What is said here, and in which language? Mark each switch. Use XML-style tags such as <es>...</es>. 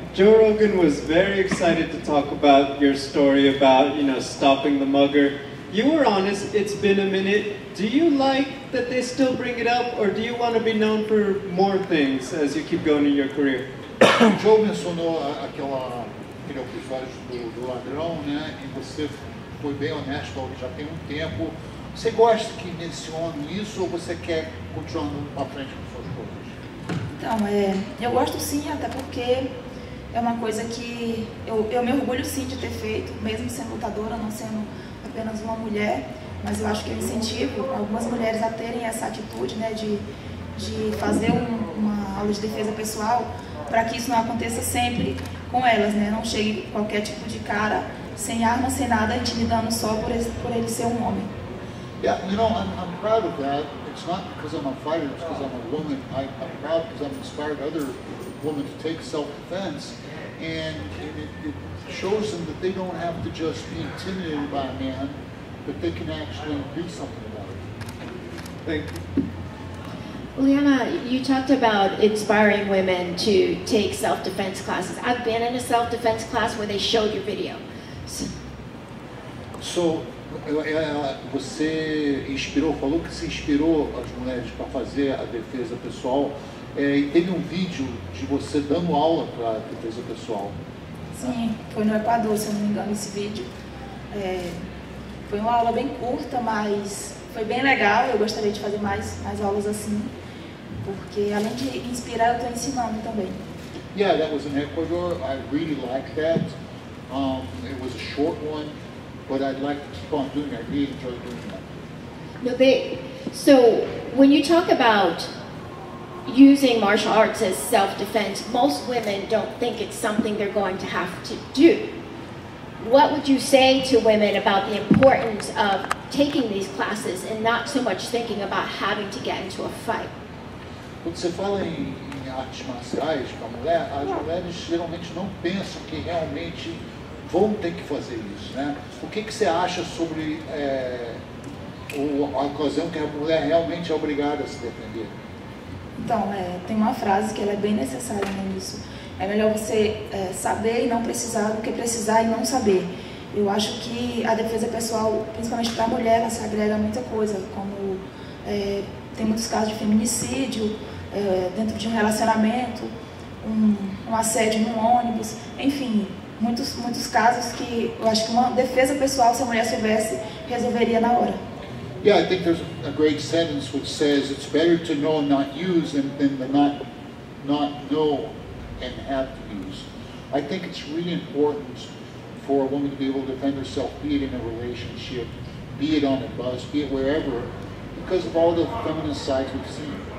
<en>Joe Rogan was very excited to talk about your story about, you know, stopping the mugger. You were honest, it's been a minute. Do you like that they still bring it up, or do you want to be known for more things as you keep going in your career?</en> <pt>Joe mencionou aquele episódio do ladrão, né? E você foi bem honesto, já tem tempo. Você gosta que mencione isso, ou você quer continuar para frente com suas coisas? Então, eu gosto sim, até porque é uma coisa que eu me orgulho sim de ter feito, mesmo sendo lutadora, não sendo apenas uma mulher, mas eu acho que eu incentivo algumas mulheres a terem essa atitude, né, de fazer uma aula de defesa pessoal, para que isso não aconteça sempre com elas, né, não chegue qualquer tipo de cara sem arma, sem nada, intimidando só por ele ser um homem.</pt> <en>Yeah, you know, I'm proud of that. It's not because I'm a fighter, it's because I'm a woman. I'm proud because I've inspired other women to take self-defense. And it shows them that they don't have to just be intimidated by a man, but they can actually do something about it. Thank you. Liana, you talked about inspiring women to take self-defense classes. I've been in a self-defense class where they showed your video.</en> <pt>So você inspirou, falou que se inspirou as mulheres para fazer a defesa pessoal. E teve vídeo de você dando aula para a defesa pessoal. Sim, foi no Equador, se eu não me engano, esse vídeo. Foi uma aula bem curta, mas foi bem legal. Eu gostaria de fazer mais aulas assim, porque além de inspirar, eu estou ensinando também.</pt> <en>Yeah, that was in Ecuador. I really liked that. It was a short one. But I'd like to keep on doing that. I really enjoy doing that. No, so when you talk about using martial arts as self-defense, most women don't think it's something they're going to have to do. What would you say to women about the importance of taking these classes and not so much thinking about having to get into a fight?</en> <pt>Quando você fala em artes marciais para mulher, as mulheres geralmente não pensam que realmente vão ter que fazer isso, né? O que que você acha sobre a ocasião que a mulher realmente é obrigada a se defender? Então, tem uma frase que ela é bem necessária nisso. É melhor você saber e não precisar do que precisar e não saber. Eu acho que a defesa pessoal, principalmente para a mulher, ela se agrega a muita coisa, como tem muitos casos de feminicídio dentro de um relacionamento, um assédio num ônibus, enfim. Muitos casos que eu acho que uma defesa pessoal, se a mulher soubesse, resolveria na hora.</pt> <en>Yeah, I think there's a great sentence which says it's better to know and not use than to not know and have to use. I think it's really important for a woman to be able to defend herself, be it in a relationship, be it on a bus, be it wherever, because of all the feminist sides we've seen.</en>